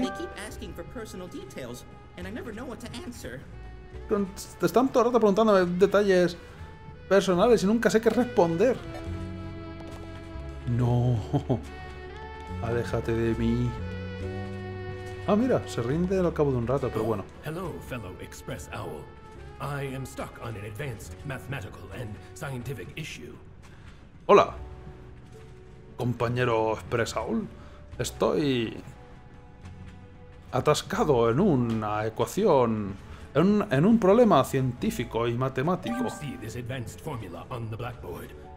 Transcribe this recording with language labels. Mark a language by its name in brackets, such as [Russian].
[Spanish] Te están todo el rato preguntándome detalles personales y nunca sé qué responder. No, aléjate de mí. Ah, mira, se rinde al cabo de un rato, pero bueno. [English] Hello, fellow Express Owl. I am stuck on an advanced mathematical and scientific issue. [Spanish] Hola, compañero Express Owl. Estoy atascado en una ecuación, en un problema científico y matemático. [English] Do you see this advanced formula on the blackboard?